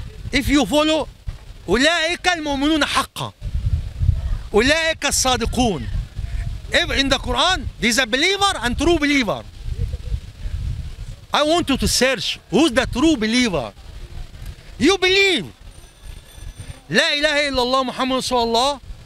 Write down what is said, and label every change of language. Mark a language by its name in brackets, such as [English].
[English] If you follow, [Arabic] أولئك المؤمنون حقا أولئك الصادقون. [English] In the Quran, there's a believer and true believer. I want you to search who's the true believer. You believe. [Arabic] لا إله إلا الله محمد رسول الله.